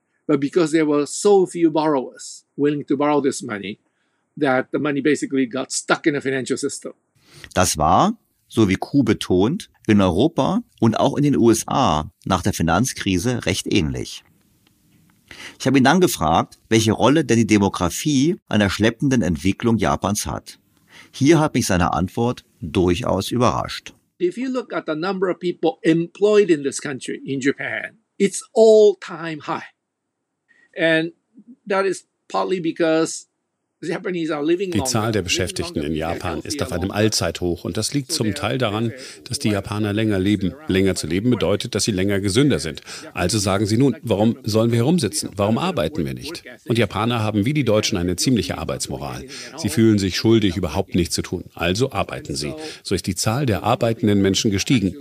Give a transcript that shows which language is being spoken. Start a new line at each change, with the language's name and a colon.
English: But because there were so few borrowers willing to borrow this money, that the money basically got stuck in the financial system.
German: Das war, so wie Ku betont, in Europa und auch in den USA nach der Finanzkrise recht ähnlich. Ich habe ihn dann gefragt, welche Rolle denn die Demografie an der schleppenden Entwicklung Japans hat. Hier hat mich seine Antwort durchaus überrascht.
English: If you look at the number of people employed in this country, in Japan, it's all time high. And that is partly because Japanese are living longer.
German: Die Zahl der Beschäftigten in Japan ist auf einem Allzeithoch und das liegt zum Teil daran, dass die Japaner länger leben. Länger zu leben bedeutet, dass sie länger gesünder sind. Also sagen sie nun, warum sollen wir herumsitzen? Warum arbeiten wir nicht? Und Japaner haben wie die Deutschen eine ziemliche Arbeitsmoral. Sie fühlen sich schuldig, überhaupt nichts zu tun. Also arbeiten sie. So ist die Zahl der arbeitenden Menschen gestiegen.